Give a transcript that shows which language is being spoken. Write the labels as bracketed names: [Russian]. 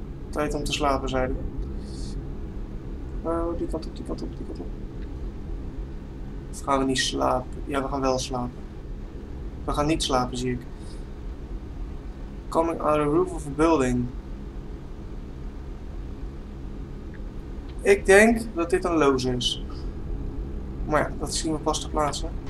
[Dutch] Tijd om te slapen, zeiden we. Oh, die kant op, die kant op, die kant op. Of gaan we niet slapen? Ja, we gaan wel slapen. We gaan niet slapen, zie ik. [English] Coming out of the roof of a building. [Dutch] Ik denk dat dit een loze is. Maar ja, dat zien we pas ter plaatse.